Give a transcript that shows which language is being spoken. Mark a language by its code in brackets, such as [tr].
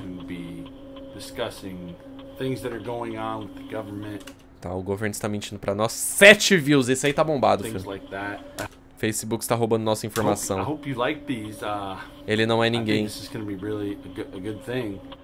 [en] To be discussing things that are going on with the government. [pt] Tá, o governo está mentindo pra nós. 7 views, esse aí tá bombado, filho. [en] Like that. [pt] Facebook está roubando nossa informação. [en] I hope you like these. [pt] Ele não é ninguém. [en] I think this is gonna be really a good thing.